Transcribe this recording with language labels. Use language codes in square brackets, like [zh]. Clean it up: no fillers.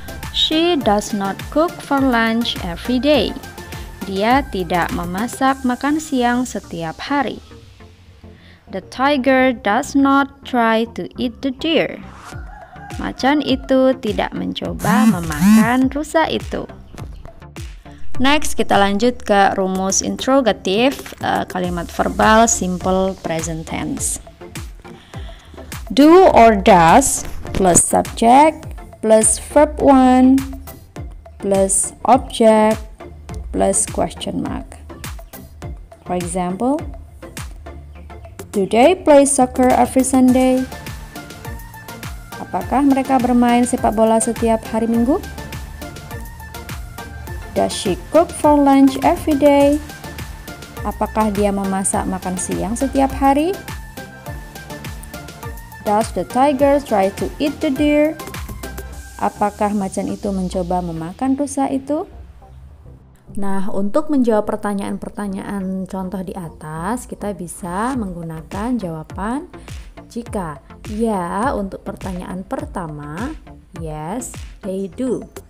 [en] She does not cook for lunch every day. [id] Dia tidak memasak makan siang setiap hari. [en] The tiger does not try to eat the deer. [id] Macan itu tidak mencoba memakan rusa itu. Next, kita lanjut ke rumus interrogatif, kalimat verbal simple present tense. [en] Do or does plus subject plus verb one plus object plus question mark. For example, do they play soccer every Sunday? [id] Apakah mereka bermain sepak bola setiap hari Minggu? [en] Does she cook for lunch every day? [id] Apakah dia memasak makan siang setiap hari? [en] Does the tiger try to eat the deer? [id] Apakah macan itu mencoba memakan rusa itu? Nah, untuk menjawab pertanyaan-pertanyaan contoh di atas, kita bisa menggunakan jawaban jika ya untuk pertanyaan pertama, [en] yes, they do.